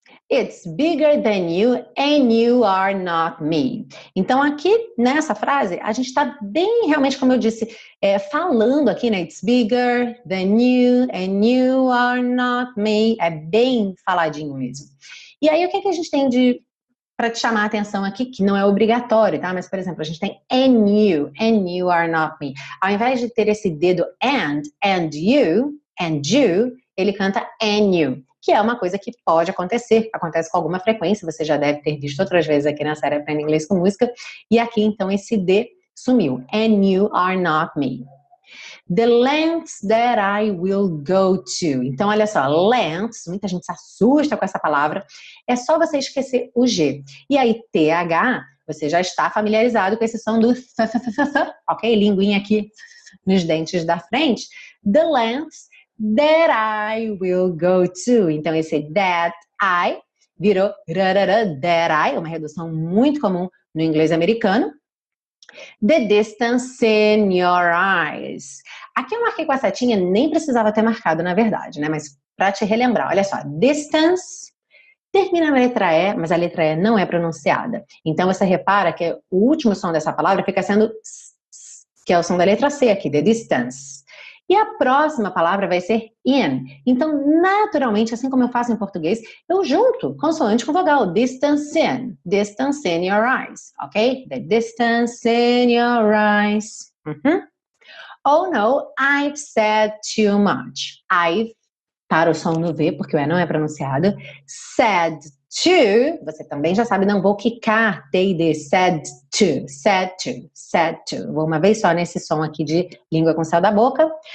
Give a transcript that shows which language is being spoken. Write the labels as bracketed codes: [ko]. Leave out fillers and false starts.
[en] It's bigger than you and you are not me. [pt] Então aqui nessa frase, a gente está bem realmente, como eu disse, falando aqui, né? [en] It's bigger than you and you are not me. [pt] É bem faladinho mesmo. E aí o que, que a gente tem para te chamar a atenção aqui, que não é obrigatório, tá? Mas, por exemplo, a gente tem [en] and you are not me. [pt] Ao invés de ter esse dedo and you, ele canta and you, que é uma coisa que pode acontecer, acontece com alguma frequência, você já deve ter visto outras vezes aqui na série Aprenda Inglês com Música, e aqui então esse D sumiu, and you are not me. [en] The lengths that I will go to, [pt] então olha só, lengths, muita gente se assusta com essa palavra, é só você esquecer o G, e aí TH, você já está familiarizado com esse som do f, ok, linguinha aqui nos dentes da frente, the lengths that I will go to. Então, esse that I virou rarara, that I, uma redução muito comum no inglês americano. [en] The distance in your eyes. [pt] Aqui eu marquei com a setinha, nem precisava ter marcado, na verdade, né? Mas pra te relembrar, olha só. Distance termina na letra E, mas a letra E não é pronunciada. Então, você repara que o último som dessa palavra fica sendo s, que é o som da letra C aqui, the distance. E a próxima palavra vai ser in. Então, naturalmente, assim como eu faço em português, eu junto consoante com vogal. [en] Distance in your eyes, ok? The distance in your eyes. Uh-huh. Oh no, I've said too much. [pt] I've, para o som no V, porque o E não é pronunciado. Said to, você também já sabe, não vou quicar. Said to. Vou uma vez só nesse som aqui de língua com céu da boca.